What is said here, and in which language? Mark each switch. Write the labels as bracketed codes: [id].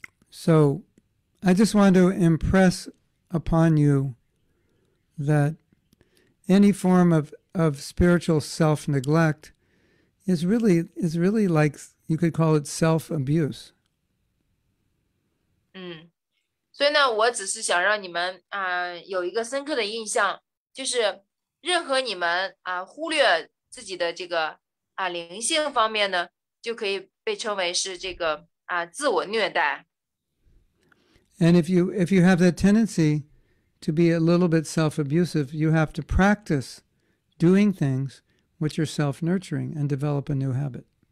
[en] So, I just want to impress upon you that any form of spiritual self-neglect is really like you could call it self-abuse. [zh] 所以呢，我只是想让你们有一个深刻的印象，就是任何你们忽略自己的这个灵性方面呢，就可以被称为是这个自我虐待。 [en] And if you have that tendency to be a little bit self-abusive, you have to practice doing things which are self-nurturing and develop a new habit.